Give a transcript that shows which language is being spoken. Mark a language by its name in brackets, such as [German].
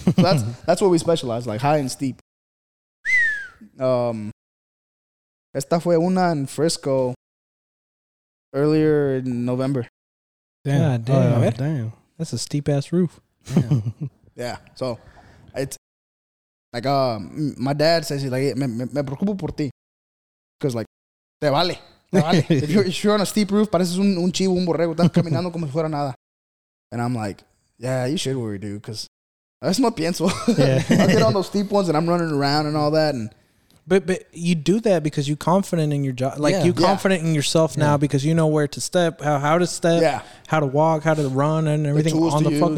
[English] So that's what we specialize, like high and steep. [Spanish] Esta fue una en Frisco [English] earlier in November. Damn, yeah, damn. Damn, that's a steep ass roof. Yeah, so it's like my dad says, he's like, [Spanish] me preocupo por ti, [English] because like [Spanish] te vale. [English] if you're on a steep roof, [Spanish] pareces un chivo, un borrego, estás caminando como si fuera nada. [English] And I'm like, yeah, you should worry, dude, because that's my pienso. I get on those steep ones and I'm running around and all that, and. But you do that because you're confident in your job. Like, you're confident in yourself now because you know where to step, how to step, how to walk, how to run, and everything the on the fucking.